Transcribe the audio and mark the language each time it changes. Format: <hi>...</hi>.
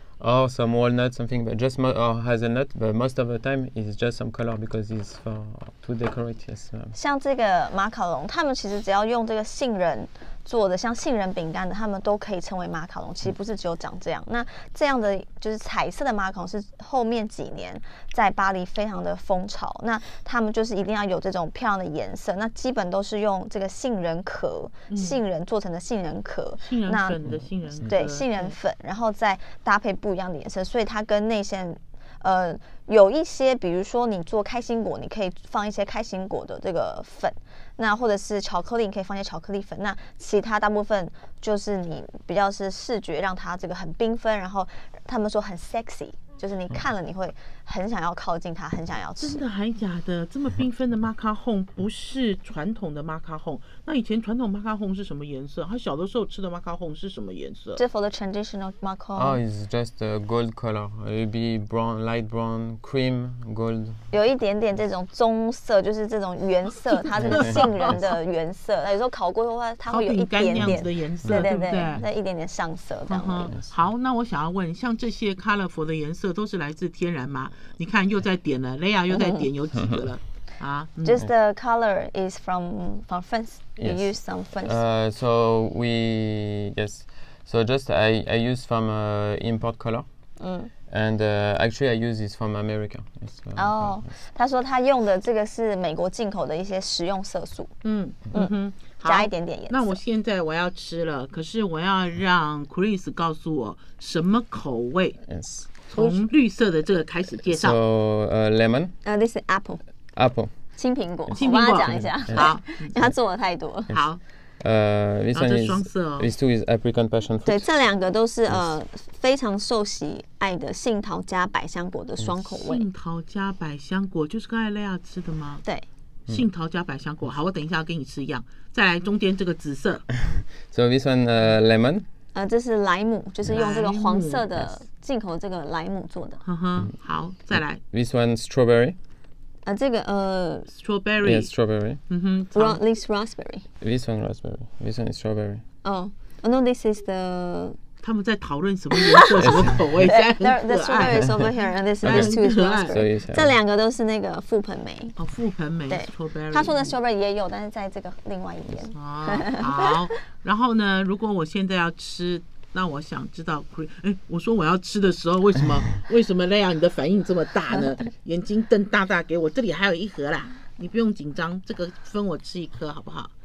<en>Or some walnut, something, but just or hazelnut, but most of the time it's just some color because it's for to decorate. Yes.</en> <zh>像这个马卡龙，他们其实只要用这个杏仁做的，像杏仁饼干的，他们都可以称为马卡龙。其实不是只有长这样。那这样的就是彩色的马卡龙是后面几年在巴黎非常的风潮。那他们就是一定要有这种漂亮的颜色。那基本都是用这个杏仁壳、杏仁做成的杏仁壳、杏仁粉的杏仁壳，对，杏仁粉，然后再搭配不一样的颜色，所以它跟内馅有一些比如说你做开心果，你可以放一些开心果的这个粉，那或者是巧克力，你可以放一些巧克力粉，那其他大部分就是你比较是视觉让它这个很缤纷，然后他们说很 sexy，就是你看了你会很想要靠近它，很想要吃。真的还假的？这么缤纷的马卡红不是传统的马卡红？那以前传统马卡红是什么颜色？他小的时候吃的马卡红是什么颜色？这</zh> <en>for the traditional</en> <zh>马卡红。</zh> <en>哦、oh, ，is just a gold color. It'll be brown, light brown, cream, gold.</en> <zh>有一点点这种棕色，就是这种原色，它是杏仁的原色。有时候烤过的话，它会有一点点那样子的颜色，对对对，那一点点上色这样。Uh-huh. 好，那我想要问，像这些 colorful 的颜色。都是来自天然吗？你看又在点了，雷亚又在点，有几个了？啊</zh> <en>，Just the color is from France. You、 yes. use some France. So we yes. So just I use from import color. And actually I use this from America. Yes, so,</en> <zh>他说他用的这个是美国进口的一些食用色素。嗯嗯，加一点点颜色。那我现在我要吃了，可是我要让 Chris 告诉我什么口味。</zh> <en>Yes.</en> <zh>从绿色的这个开始介绍。</zh> <en>So, lemon. This is apple. Apple.</en> <zh>青苹果。青苹果。我帮他讲一下。好。他做了太多。好。</zh> <en>This one is</en> <zh>双色哦。</zh> <en>This two is apricot passion fruit.</en> <zh>对，这两个都是、非常受喜爱的杏桃加百香果的双口味。杏桃加百香果就是刚才雷亚吃的吗？对。杏桃加百香果，好，我等一下要给你吃一样。再来中间这个紫色。</zh> <en>So this one, lemon.</en> <zh>这是莱姆，就是用这个黄色的进口这个莱姆做的。 Uh-huh, 好，再来。</zh> <en>This one strawberry。</en> <zh>这个</zh> <en>strawberry。 Yes, strawberry.</en> <zh>嗯哼。</zh> <en>This raspberry。 This one raspberry. This one is strawberry. Oh, no, this is the.</en> <zh>他们在讨论什么颜色、什么口味，现在很可爱。</zh> <en>The strawberry is over here, and this is two raspberry.</en> <zh>这两个都是那个覆盆莓。哦，覆盆莓。对</zh> <en>，strawberry。</en> <zh>他说的 strawberry 也有，但是在这个另外一边。好。然后呢？如果我现在要吃，那我想知道，哎，我说我要吃的时候，为什么Leia你的反应这么大呢？眼睛瞪大大给我，这里还有一盒啦，你不用紧张，这个分我吃一颗好不好？</zh>